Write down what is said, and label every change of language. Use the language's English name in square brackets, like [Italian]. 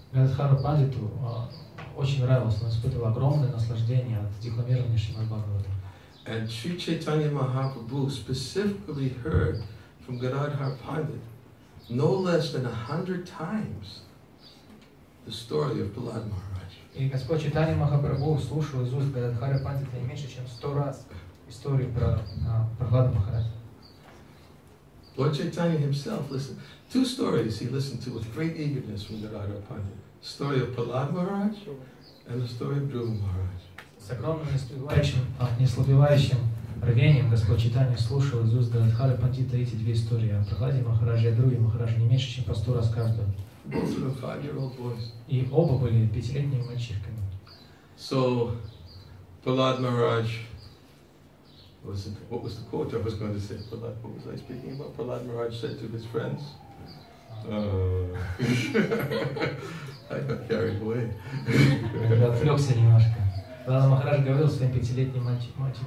[Russian] Гададхара Пандиту очень нравилось, он испытывал огромное наслаждение от декламирования Шримад Бхагаватам. [English] And Sri Chaitanya Mahaprabhu specifically heard from Gadadhar Pandit no less than 100 times the story of Prahlad Maharaj. [Russian] И Господь Чайтанья Махапрабху слушал из уст Гададхары Пандита не меньше, чем 100 раз историю про Прахлада Махараджа. [English] Lord Chaitanya himself listened. Two stories he listened to with great eagerness from Gadadhara Pandit. The story of Prahlad Maharaj and the story of Dhruva Maharaj. [Russian] С огромным неслабевающим рвением Господь Чайтанья слушал из уст Гададхары Пандита эти две истории о Прахладе Махарадже и Дхруве Махарадже не меньше, чем по 100 раз каждую. [English] Both were 5-year-old boys. [Russian] И оба были 5-летними мальчишками. [English] So, Prahlad Maharaj, what was the quote I was going to say? Prahlad, what was I speaking about? Prahlad Maharaj said to his friends, I got carried away. [Russian] Я отвлекся немножко. Прахлад Махарадж говорил своим 5-летним мальчикам.